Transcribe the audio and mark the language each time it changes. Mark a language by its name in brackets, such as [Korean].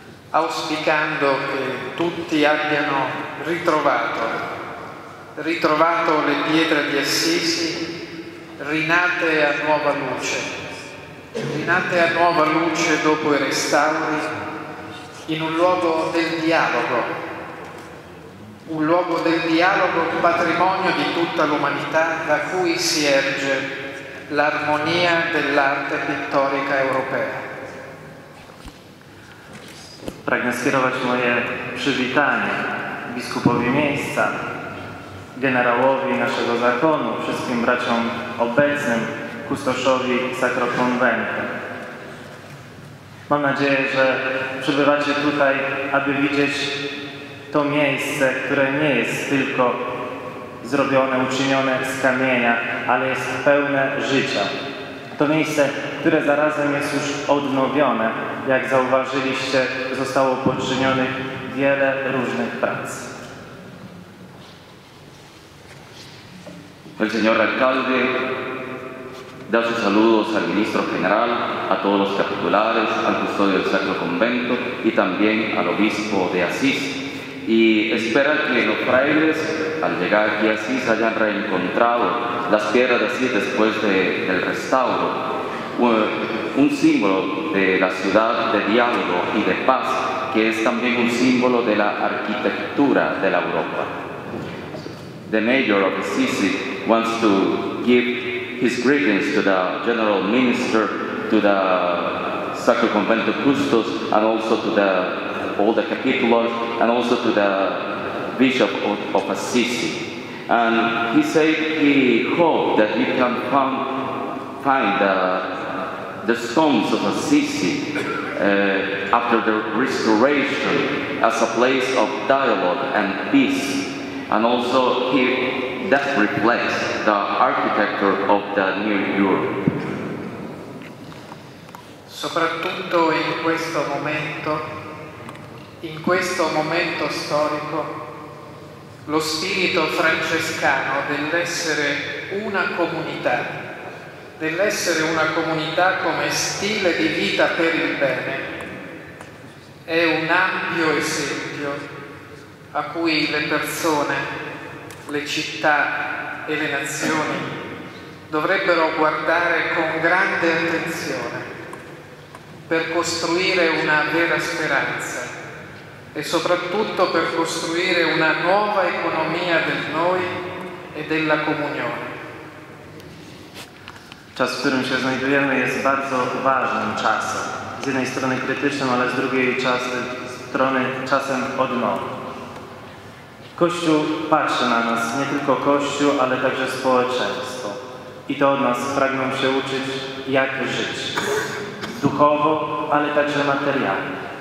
[Italian] auspicando che tutti abbiano ritrovato le pietre di Assisi, rinate a nuova luce dopo i restauri, in un luogo del dialogo, un luogo del dialogo, patrimonio di tutta l'umanità, da cui si erge l'armonia dell'arte pittorica europea. [Polish] Pragnę skierować moje przywitanie biskupowi miejsca, generałowi naszego zakonu, wszystkim braciom obecnym, kustoszowi Sacro Convento. Mam nadzieję, że przybywacie tutaj, aby widzieć to miejsce, które nie jest tylko zrobione, uczynione z kamienia, ale jest pełne życia. To miejsce, które zarazem jest już odnowione, jak zauważyliście, zostało poczynionych wiele różnych prac. [Spanish] El señor alcalde da sus saludos al ministro general, a todos los capitulares, al custodio del Sacro Convento y también al obispo de Asís. Y espera que los frailes, al llegar aquí a Asís, hayan reencontrado las piedras de Asís después del restauro. Un símbolo de la ciudad de diálogo y de paz, que es también un símbolo de la arquitectura de la Europa. [English] The mayor of Assisi wants to give his greetings to the general minister, to the Sacro Convento Custos, and also to all the capitulars, and also to the bishop of Assisi. And he said he hoped that he can find the stones of Assisi after the restoration as a place of dialogue and peace. And also here, that reflects the architecture of the new Europe. [Italian] Soprattutto in questo momento storico, lo spirito francescano dell'essere una comunità come stile di vita per il bene, è un ampio esempio a cui le persone, le città e le nazioni dovrebbero guardare con grande attenzione per costruire una vera speranza e soprattutto per costruire una nuova economia del noi e della comunione. [Polish] Czas, w którym się znajdujemy, jest bardzo ważnym czasem. Z jednej strony krytycznym, ale z drugiej strony czasem odnowy. Kościół patrzy na nas, nie tylko Kościół, ale także społeczeństwo. I to od nas pragną się uczyć, jak żyć. Duchowo, ale także materialnie.